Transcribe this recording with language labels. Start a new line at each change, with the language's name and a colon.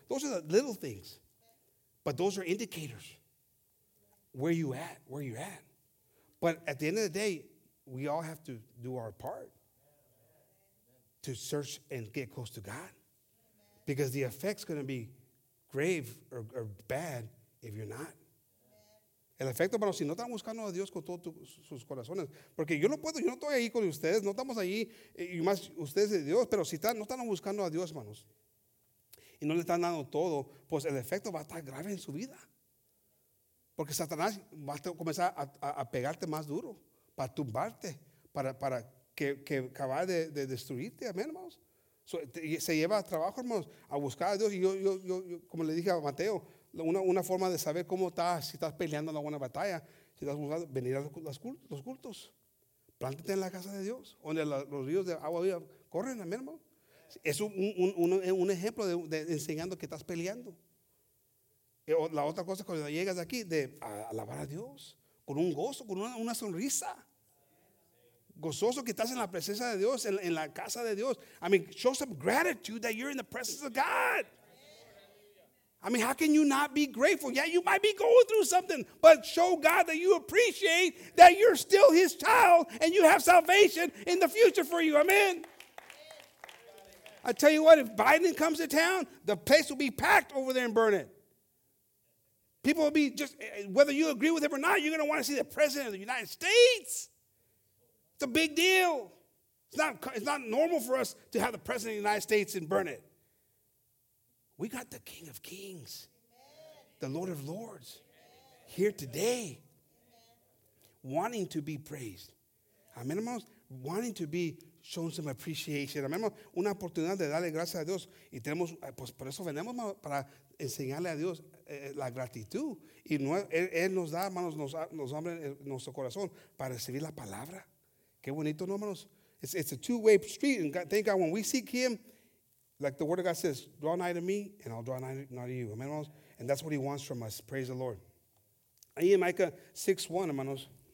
English: Those are the little things. But those are indicators. Where you at? Where you at? But at the end of the day, we all have to do our part to search and get close to God. Because the effect's going to be grave or bad if you're not.
Spanish: El efecto, hermano, si no están buscando a Dios con todos sus corazones. Porque yo no puedo, yo no estoy ahí con ustedes. No estamos ahí, y más ustedes de Dios. Pero si están, no están buscando a Dios, hermanos. Y no le están dando todo. Pues el efecto va a estar grave en su vida. Porque Satanás va a comenzar a pegarte más duro. Para tumbarte. Para que acabar de destruirte. Amén, hermanos. So, se lleva a trabajo, hermanos, a buscar a Dios. Y yo como le dije a Mateo. Una forma de saber cómo estás, si estás peleando la buena batalla, si estás buscando venir a los cultos, plántate en la casa de Dios, donde los ríos de agua viva corren, amén, hermano. Es un ejemplo de enseñando que estás peleando. La otra cosa cuando llegas de aquí, de alabar a Dios, con un gozo, con una sonrisa. Gozoso que estás en la presencia de Dios, en la casa de Dios.
English: I mean, show some gratitude that you're in the presence of God. I mean, how can you not be grateful? Yeah, you might be going through something, but show God that you appreciate that you're still his child and you have salvation in the future for you. Amen. I tell you what, if Biden comes to town, the place will be packed over there in Burnett. People will be just, whether you agree with him or not, you're going to want to see the president of the United States. It's a big deal. It's not normal for us to have the president of the United States in Burnett. We got the King of Kings, the Lord of Lords, here today, wanting to be praised. Amen, hermanos. Wanting to be shown some appreciation. Amen, hermanos.
Spanish: Una oportunidad de darle gracias a Dios. Y tenemos, pues por eso venimos, para enseñarle a Dios la gratitud. Y Él nos da, hermanos, nos abre nuestro corazón para recibir la palabra. Qué bonito, ¿no, hermanos?
English: It's a two-way street. And thank God when we seek Him. Like the word of God says, draw nigh to me, and I'll draw nigh to you. Amen, hermanos? And that's what he wants from us. Praise the Lord.
Spanish: Ahí en Micah 6:1, hermanos.